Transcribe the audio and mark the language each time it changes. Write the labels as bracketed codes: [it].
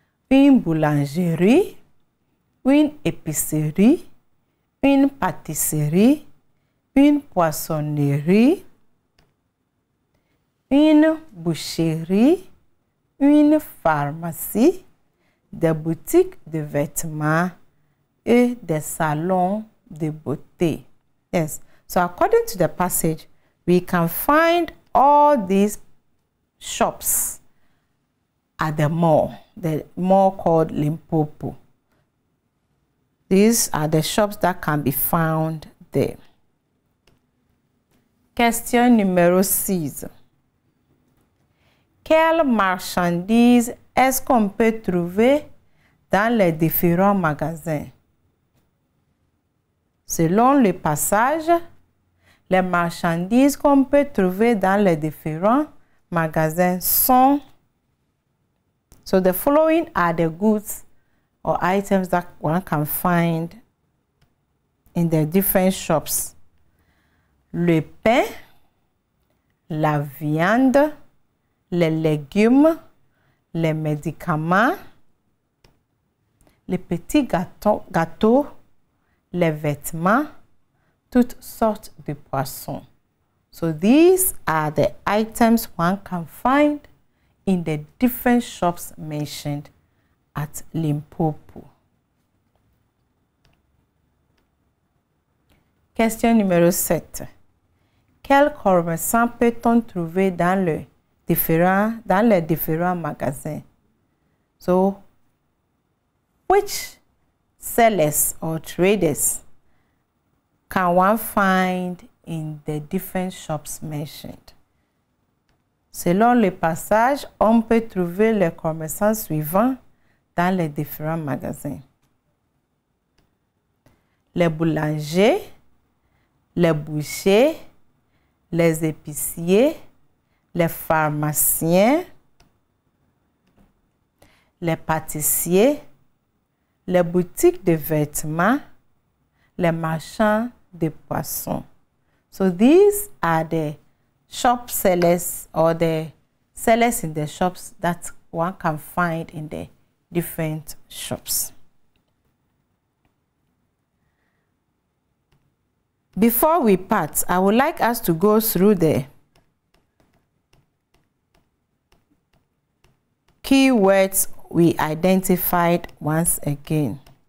[fr] Une boulangerie, une épicerie, une pâtisserie, une poissonnerie, une boucherie, une pharmacie, des boutiques de vêtements et des salons de beauté. [en] Yes. So according to the passage, we can find all these shops at the mall called Limpopo. These are the shops that can be found there. [fr] Question numéro 6. Quelle marchandise est-ce qu'on peut trouver dans les différents magasins? Selon le passage, les marchandises qu'on peut trouver dans les différents magasins sont. [en] So the following are the goods or items that one can find in the different shops. [fr] Le pain, la viande, les légumes, les médicaments, les petits gâteaux, les vêtements, toutes sortes de poissons. [en] So these are the items one can find in the different shops mentioned at Limpopo. [fr] Question numéro 7. Quel commerçant peut-on trouver dans le différents magasins? [en] So, which sellers or traders can one find in the different shops mentioned? [fr] Selon le passage, on peut trouver les commerçants suivants dans les différents magasins. Les boulangers, les bouchers, les épiciers, les pharmaciens, les pâtissiers, les boutiques de vêtements, les marchands de poissons. [en] So these are the shop sellers or the sellers in the shops that one can find in the different shops. Before we part, I would like us to go through the keywords we identified once again.